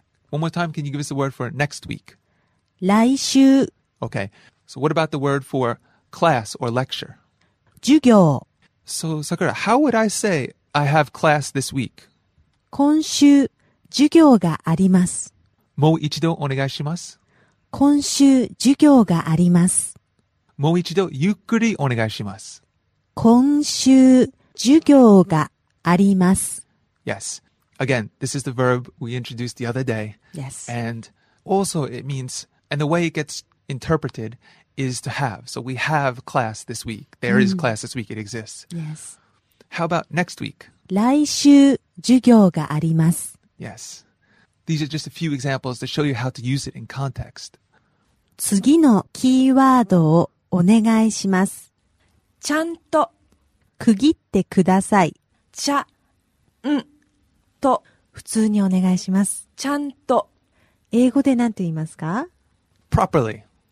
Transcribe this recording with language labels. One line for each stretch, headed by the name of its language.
English: One more time, can you give us the word for next week?
Japanese: 来週。
English: Okay. So what about the word for class or lecture?
Japanese: 授業。
English: So Sakura, how would I say I have class this week?
Japanese: 今週授業があります。もう一度お願いします。今週授業があります。もう一度ゆっくりお願いします。今週授業があります。
English: Yes. Again, this is the verb we introduced the other day. Yes. And also it means, and the way it gets interpreted is to have. So we have class this week. There、mm. is class this week. It exists. Yes. How about next week?
Japanese: 来週授業があります。
English: Yes. These are just a few examples to show you how to use it in context.
Japanese: 次のキーワードをお願いします。ちゃんと。区切ってください。ちゃ、ん、と。普通にお願いします。ちゃんと。英語で何て言いますか？
English: Properly.